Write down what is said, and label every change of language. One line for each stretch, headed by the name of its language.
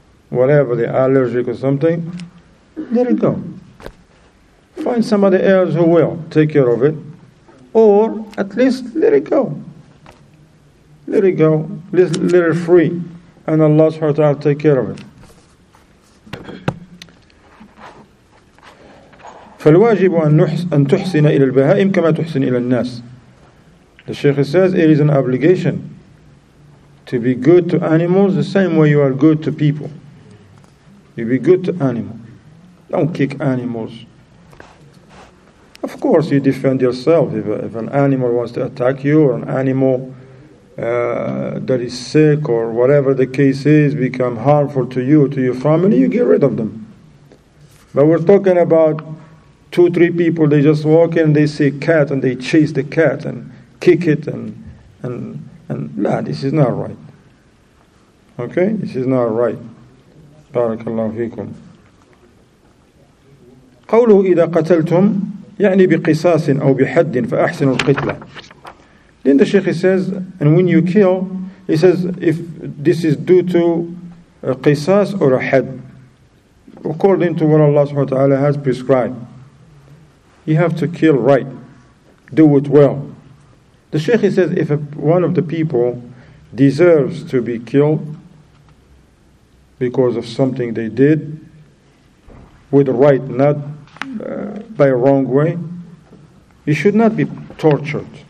English: Whatever, they're allergic or something, let it go. Find somebody else who will take care of it. Or at least let it go. Let it go. Let it free. And Allah subhanahu wa ta'ala take care of it.
Arabic: فالواجب أن تحسن إلى البهائم كما تحسن إلى الناس.
English: The Shaykh says it is an obligation to be good to animals the same way you are good to people. You be good to animals. Don't kick animals. Of course, you defend yourself. If an animal wants to attack you, or an animal that is sick, or whatever the case is, become harmful to you, to your family, you get rid of them. But we're talking about two, three people, they just walk in, they see a cat, and they chase the cat, and kick it, and nah, this is not right. Okay? This is not right. Barakallahu fikum.
Arabic: قولوا إذا قتلتم يعني بقصاص أو بحد فأحسن القتلة.
English: Then the Sheikh says, and when you kill, he says, if this is due to a qisas or a had, according to what Allah subhanahu wa ta'ala has prescribed, you have to kill right, do it well. The Sheikh says, if one of the people deserves to be killed because of something they did, with right, not by a wrong way, he should not be tortured.